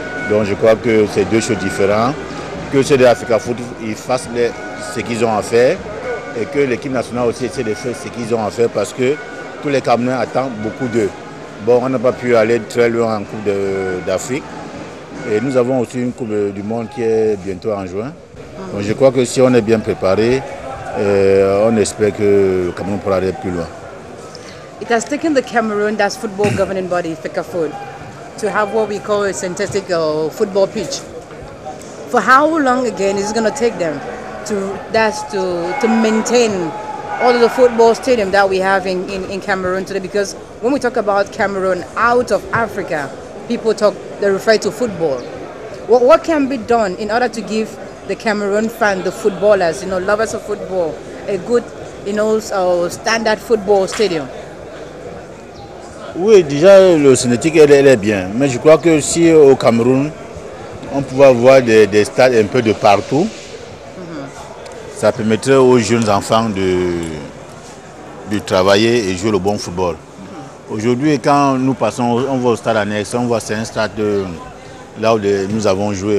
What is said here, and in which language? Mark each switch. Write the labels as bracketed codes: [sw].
[fr] Donc je crois que c'est deux choses différentes. Que ceux de FECAFO fassent ce qu'ils ont à faire et que l'équipe nationale aussi essaie de faire ce qu'ils ont à faire parce que tous les Camerounais attendent beaucoup d'eux. Bon, on n'a pas pu aller très loin en Coupe d'Afrique et nous avons aussi une Coupe du Monde qui est bientôt en juin. Donc je crois que si on est bien préparé, on espère que le Cameroun pourra aller plus loin. [en] It has taken the Cameroon, that's football governing body, FECAFO, to have what we call a synthetic football pitch. For how long again is it going to take them to maintain all of the football stadium that we have in Cameroon today? Because when we talk about Cameroon out of Africa, people talk, they refer to football. What can be done in order to give the Cameroon fans, the footballers, you know, lovers of football, a good, you know, standard football stadium? [fr] Oui, déjà, le synthétique, elle est bien. Mais je crois que si au Cameroun, on pouvait avoir des stades un peu de partout. Ça permettrait aux jeunes enfants de travailler et jouer le bon football. Aujourd'hui, quand nous passons, on va au stade annexe, on voit c'est un stade là où nous avons joué.